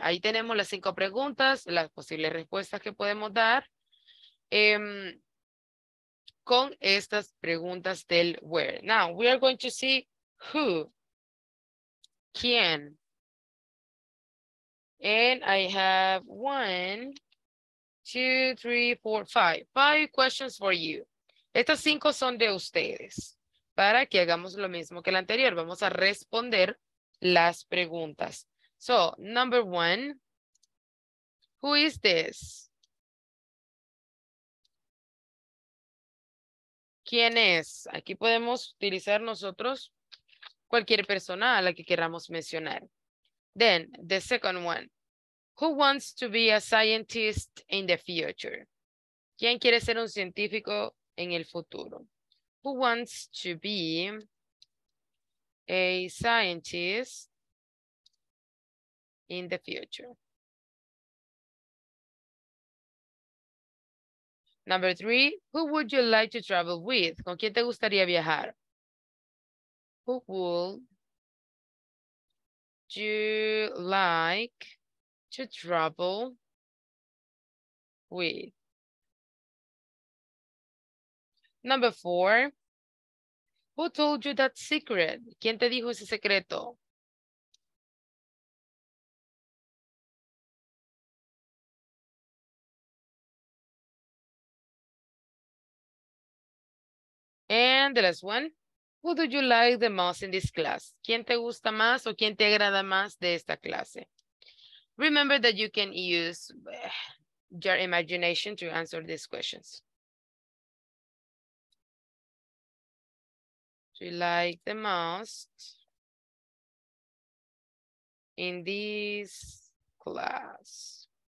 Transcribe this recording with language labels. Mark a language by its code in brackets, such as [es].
[es] Ahí tenemos las cinco preguntas, las posibles respuestas que podemos dar con estas preguntas del where. [en] Now, we are going to see who. ¿Quién? And I have one, two, three, four, five. Five questions for you. [es] Estas cinco son de ustedes. Para que hagamos lo mismo que la anterior, vamos a responder las preguntas. [en] So, number one, who is this? [es] ¿Quién es? Aquí podemos utilizar nosotros cualquier persona a la que queramos mencionar. [en] Then, the second one, who wants to be a scientist in the future? [es] ¿Quién quiere ser un científico en el futuro? [en] Who wants to be a scientist in the future? Number three, who would you like to travel with? [es] ¿Con quién te gustaría viajar? [en] Who would you like to travel with? Number four, who told you that secret? [es] ¿Quién te dijo ese secreto? [en] And the last one, who do you like the most in this class? [es] ¿Quién te gusta más o quién te agrada más de esta clase? [en] Remember that you can use your imagination to answer these questions. Do you like the most in this class?